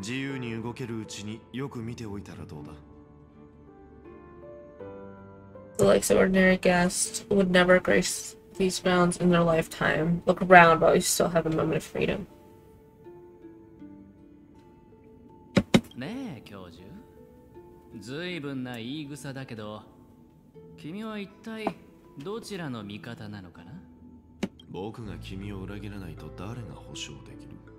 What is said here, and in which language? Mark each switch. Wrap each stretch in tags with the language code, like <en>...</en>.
<ja>ここまで厳重な警備じゃなかった。ここの所有者にぴったりだな。この屋敷は名目上サンデーのもので、彼の正体がなければ一般の客は一生ここに足を踏み入れる機会はない。自由に動けるうちによく見ておいたらどうだ。</ja> <en>The likes of ordinary guests would never grace these bounds in their lifetime. Look around while you still have a moment of freedom.</en> <ja>ねえ、教授。随分な言い草だけど、君は一体どちらの味方なのかな？僕が君を裏切らないと誰が保証できる？</ja>